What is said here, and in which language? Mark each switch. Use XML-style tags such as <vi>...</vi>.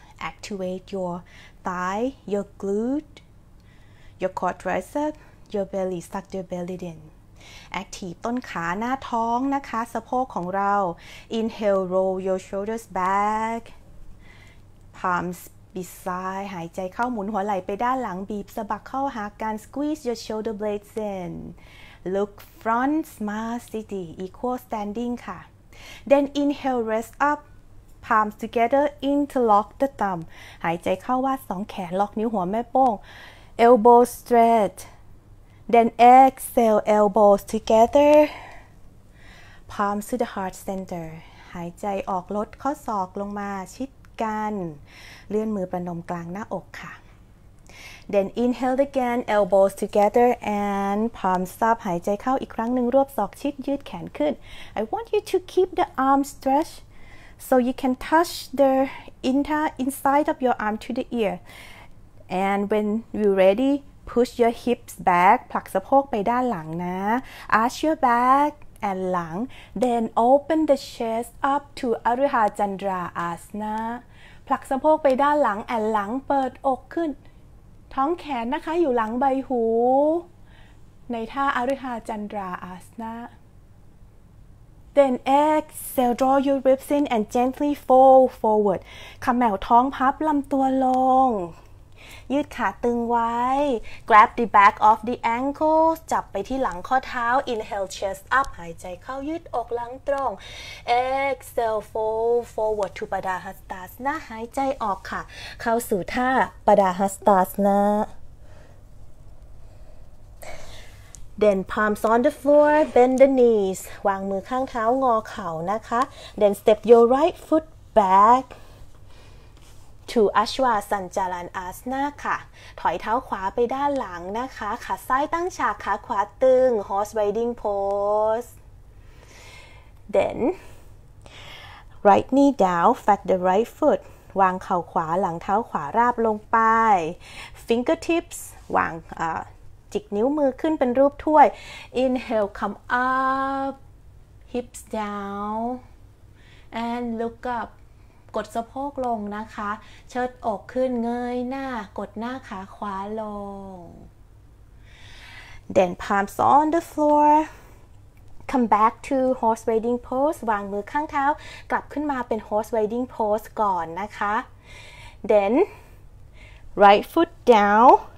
<en>Activate your thigh, your glute, your quadriceps, your belly. Suck your belly in.</en> <th>Active ต้นขาหน้าท้องนะคะสะโพกของเรา</th> <en>Inhale, roll your shoulders back. Palms beside.</en> <th>หายใจเข้าหมุนหัวไหล่ไปด้านหลังบีบสะบักเข้าหากัน</th> <en>Squeeze your shoulder blades in. Look front, Smasthiti. Equal standing ค่ะ Then inhale, rest up. Palms together, interlock the thumb.</en> <th>หายใจเข้าวาดสองแขนล็อกนิ้วหัวแม่โป้ง</th> <en>Elbow straight. Then exhale, elbows together. Palms to the heart center.</en> <th>หายใจออกลดข้อศอกลงมาชิดกันเลื่อนมือประนมกลางหน้าอกค่ะ</th> <en>Then inhale again, elbows together and palms up.</en> <th>หายใจเข้าอีกครั้งหนึ่งรวบศอกชิดยืดแขนขึ้น</th> <en>I want you to keep the arm stretchedSo you can touch the inside of your arm to the ear. And when you're ready, push your hips back.</en> <th>ผลักสะโพกไปด้านหลังนะ</th> <en>Arch your back and หลัง Then open the chest up to Arihachandrasana.</en> <th>ผลักสะโพกไปด้านหลังแอนหลังเปิดอกขึ้นท้องแขนนะคะอยู่หลังใบหูในท่า Arihachandrasana.</th> <en>Then exhale, draw your ribs in and gently fold forward.</en> <th>ขมวดท้องพับลำตัวลงยืดขาตึงไว้</th> <en>Grab the back of the ankles.</en> <th>จับไปที่หลังข้อเท้า</th> <en>Inhale, chest up.</en> <th>หายใจเข้ายืดอกหลังตรง</th> <en>Exhale, fold forward to Padmasana.</en> <th>หายใจออกค่ะเข้าสู่ท่า Padmasana.</th> <en>Then palms on the floor, bend the knees.</en> <th>วางมือข้างเท้างอเข่านะคะ</th> <en>Then step your right foot back to Ashvasanchalanasana</en> <th>ค่ะถอยเท้าขวาไปด้านหลังนะคะขาซ้ายตั้งฉากขาขวาตึง</th> <en>Horse Riding Pose. Then right knee down, flat the right foot.</en> <th>วางเข่าขวาหลังเท้าขวาราบลงไป Fingertips วางจิกนิ้วมือขึ้นเป็นรูปถ้วย</th> <en>Inhale, come up, hips down, and look up.</en> <th>กดสะโพกลงนะคะเชิดอกขึ้นเงยหน้ากดหน้าขาขวาลง</th> <en>Then palms on the floor. Come back to horse riding pose.</en> <th>วางมือข้างเท้ากลับขึ้นมาเป็น horse riding pose ก่อนนะคะ</th> <en>Then right foot down.</en>